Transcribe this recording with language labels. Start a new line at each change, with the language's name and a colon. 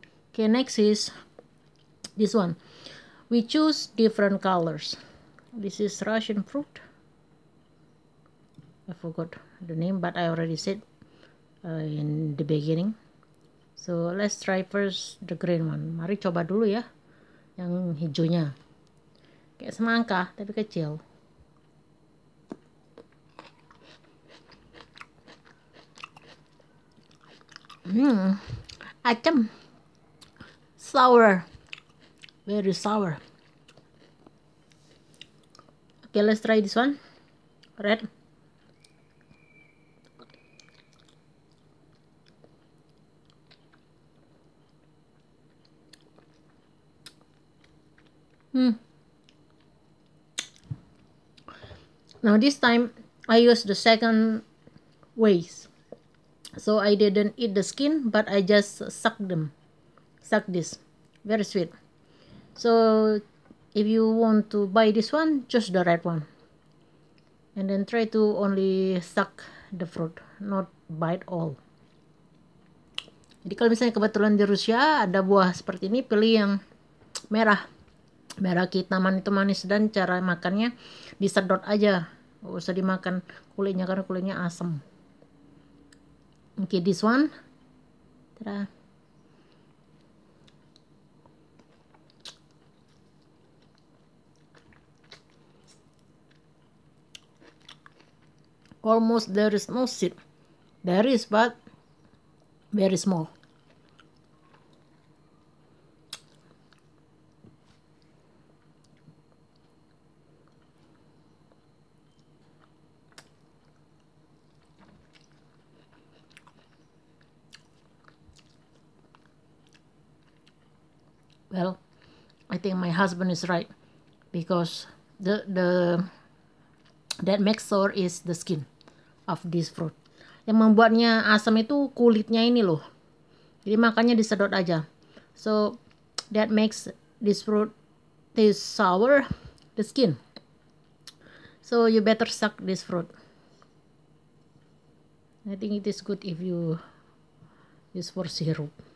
English: Okay, next is this one. We choose different colors. This is Russian fruit. I forgot the name, but I already said in the beginning. So let's try first the green one.
Indonesian: Mari coba dulu ya, yang hijaunya. Kayak semangka, tapi kecil. Acem.
English: Sour. Very sour. Okay, let's try this one. Red. Now this time I use the second ways, so I didn't eat the skin, but I just suck them, suck this, very sweet. So if you want to buy this one, just the red one, and then try to only suck the fruit, not bite all.
Indonesian: Jadi kalau misalnya kebetulan di Rusia ada buah seperti ini, pilih yang merah. Merah kehitaman itu manis, dan cara makannya disedot aja, gak usah dimakan kulitnya karena kulitnya asam.
English: Okay, this one. Tada. Almost there is no seed. There is, but very small. Well, I think my husband is right, because that makes sour is the skin of this fruit.
Indonesian: Yang membuatnya asam itu kulitnya ini loh. Jadi makannya disedot aja.
English: So that makes this fruit taste sour, the skin. So you better suck this fruit. I think it is good if you use for syrup.